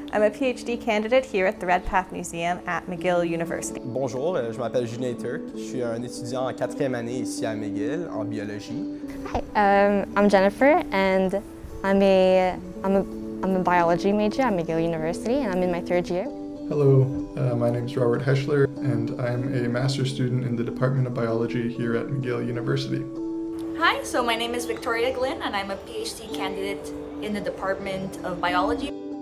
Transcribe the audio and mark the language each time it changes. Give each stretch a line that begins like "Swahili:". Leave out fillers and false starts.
English: I'm a PhD candidate here at the Red Path Museum at McGill University.
French: Bonjour, je m'appelle Julien, je suis un étudiant en quatrième année ici à McGill en biologie.
English: Hi, I'm Jennifer and I'm a biology major at McGill University and I'm in my third year. Hello, my name is Robert Hechler and I'm a master's student in the Department of Biology here at McGill University. Hi, so my name is Victoria Glynn and I'm a PhD candidate in the Department of Biology.